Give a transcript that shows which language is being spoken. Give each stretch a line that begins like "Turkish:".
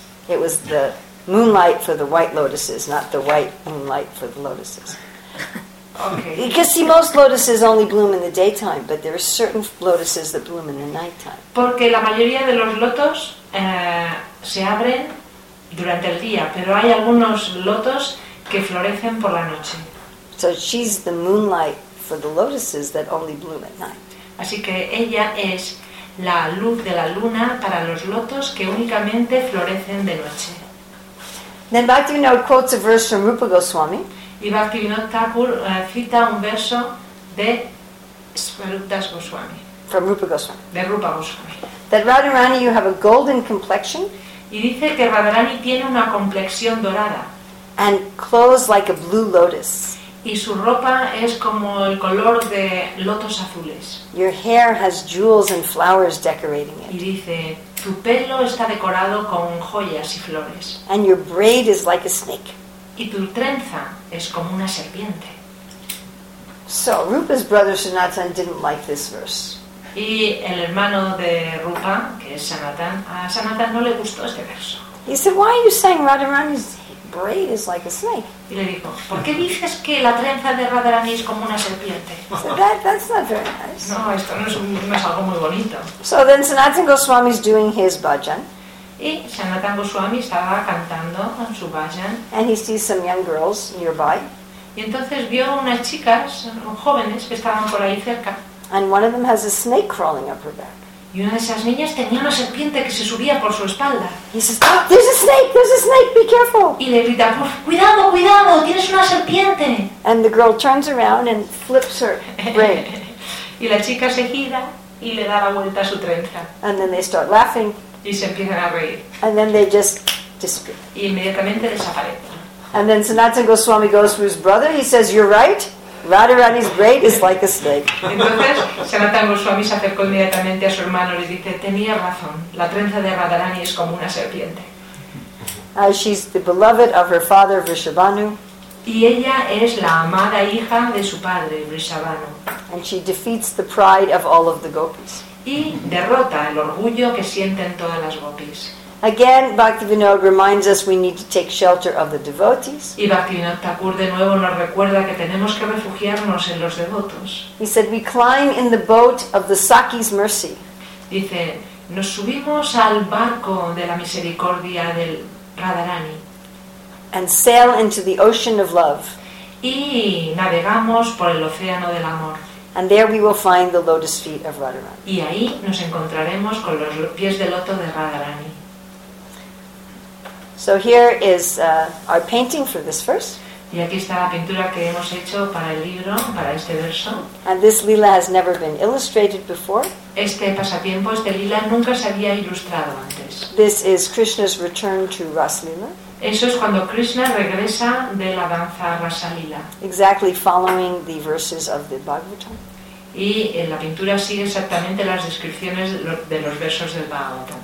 English: It was the moonlight for the white lotuses, not the white moonlight for the lotuses. Okay. Because see, most lotuses only bloom in the daytime, but there are certain lotuses that bloom in the nighttime.
Spanish: Porque la mayoría de los lotos se abren durante el día, pero hay algunos lotos que florecen por la noche.
English: So she's the moonlight for the lotuses that only bloom at night.
Spanish: Así que ella es la luz de la luna para los lotos que únicamente florecen de noche.
English: Then Bhaktivinoda quotes a verse from Rupa Goswami.
Spanish: Y Bhaktivinoda Thakur cita un verso de Swarup Das Goswami.
English: From Rupa Goswami.
Spanish: De Rupa Goswami.
English: That Radharani, you have a golden complexion.
Spanish: Y dice que Radharani tiene una complexión dorada.
English: And clothes like a blue lotus.
Spanish: Y su ropa es como el color de lotos azules.
English: Your hair has jewels and flowers decorating it.
Spanish: Y dice, tu pelo está decorado con joyas y flores.
English: And your braid is like a snake.
Spanish: y tu trenza es como una serpiente.
English: So Rupa's brother Sanatan didn't like this verse.
Spanish: Y el hermano de Rupa, que es Sanatan, a Sanatan no le gustó este verso.
English: He said, "Why are you saying Radharani's braid is like a snake?"
Spanish: Y le dijo, "¿Por qué dices que la trenza de Radharani es como una serpiente?"
English: So that's not very nice.
Spanish: No, esto no es, no es algo muy bonito.
English: So then Sanatan Goswami is doing his bhajan.
Spanish: Y Sanatan Goswami estaba cantando en su bhajan.
English: And he sees some young girls nearby.
Spanish: Y entonces vio unas chicas jóvenes que estaban por ahí cerca.
English: And one of them has a snake crawling up her back.
Spanish: Y una de esas niñas tenía una serpiente que se subía por su espalda.
English: He says, "Oh, there's a snake, there's a snake, be careful."
Spanish: Y le grita, "Cuidado, cuidado, tienes una serpiente."
English: And the girl turns around and flips her braid.
Spanish: Y la chica se gira y le da la vuelta a su trenza.
English: And then they start laughing.
Spanish: Y se empiezan a reír.
English: And then they just disappear.
Spanish: Y inmediatamente desaparecen.
English: And then Sanatan Goswami goes to his brother, he says, "You're right. Radharani's braid is like a snake."
Spanish: Entonces, Sanatan Goswami se acercó inmediatamente a su hermano y le dice, "Tenía razón, la trenza de Radharani es como una serpiente."
English: She's the beloved of her father, Vrishabhanu.
Spanish: Y ella es la amada hija de su padre, Vrishabhanu.
English: And she defeats the pride of all of the gopis.
Spanish: Y derrota el orgullo que sienten todas las gopis.
English: Again, Bhaktivinoda reminds us we need to take shelter of the devotees.
Spanish: Y Bhaktivinoda Thakur de nuevo nos recuerda que tenemos que refugiarnos en los devotos.
English: He said, "We climb in the boat of the Sakis' mercy."
Spanish: Dice, nos subimos al barco de la misericordia del Radharani.
English: And sail into the ocean of love.
Spanish: Y navegamos por el océano del amor.
English: And there we will find the lotus feet of Radharani.
Spanish: Y ahí nos encontraremos con los pies de loto de Radharani.
English: So here is our painting for this verse.
Spanish: Y aquí está la pintura que hemos hecho para el libro, para este verso.
English: And this lila has never been illustrated before.
Spanish: Este pasatiempo, este lila, nunca se había ilustrado antes.
English: This is Krishna's return to Rasalila.
Spanish: Eso es cuando Krishna regresa de la danza Rasalila.
English: Exactly following the verses of the Bhagavatam.
Spanish: Y en la pintura sigue exactamente las descripciones de los versos del Bhagavatam.